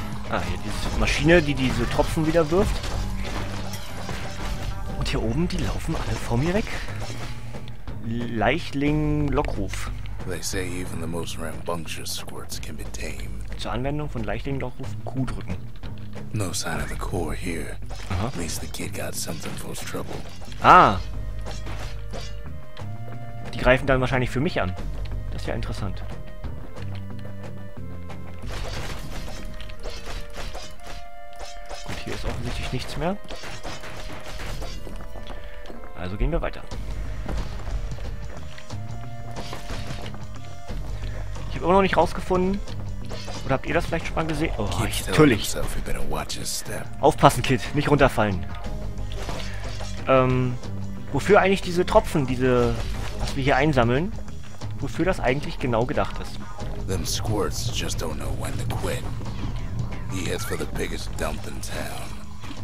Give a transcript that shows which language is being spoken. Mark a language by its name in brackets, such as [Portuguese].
[German] Ah, hier diese Maschine, die diese Tropfen wieder wirft. Und hier oben, die laufen alle vor mir weg. Leichling Lockruf. [English] They say even the most rambunctious squirts can be tamed. [German] Zur Anwendung von Leichling Lockruf Q drücken. [English] No sign of the core here. At least the kid got something for his trouble. Ah. [German] Die greifen dann wahrscheinlich für mich an. Das ist ja interessant. Gut, hier ist offensichtlich nichts mehr. Also gehen wir weiter. Ich habe immer noch nicht rausgefunden. Oder habt ihr das vielleicht schon mal gesehen? Oh, natürlich. Aufpassen, Kid. Nicht runterfallen. Wofür eigentlich diese Tropfen, diese, was wir hier einsammeln, wofür das eigentlich genau gedacht ist? [English] Them squirts just don't know when to quit. He heads for the biggest dump in town.